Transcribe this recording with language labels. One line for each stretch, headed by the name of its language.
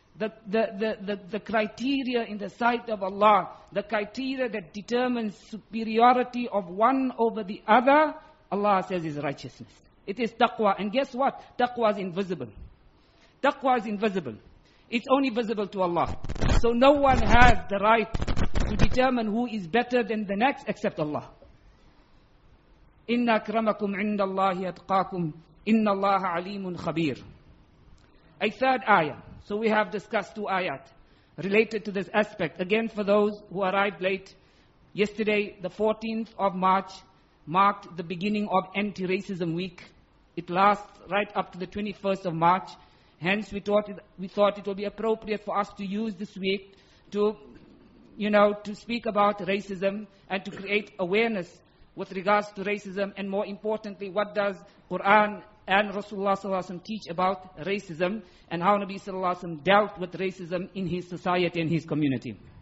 English: The criteria in the sight of Allah, the criteria that determines superiority of one over the other, Allah says is righteousness. It is taqwa. And guess what? Taqwa is invisible. Taqwa is invisible. It's only visible to Allah. So no one has the right to determine who is better than the next except Allah.
Arabic: إِنَّ أَكْرَمَكُمْ عِنْدَ اللَّهِ أَتْقَاكُمْ إِنَّ اللَّهَ عَلِيمٌ خَبِيرٌ.
English: A third ayah. So we have discussed two ayat related to this aspect. Again, for those who arrived late, yesterday, the 14th of March, marked the beginning of Anti-Racism Week. It lasts right up to the 21st of March. Hence, we thought it would be appropriate for us to use this week to, you know, to speak about racism and to create awareness with regards to racism, and more importantly, what does Quran and Rasulullah ﷺ teach about racism and how Nabi ﷺ dealt with racism in his society and his community.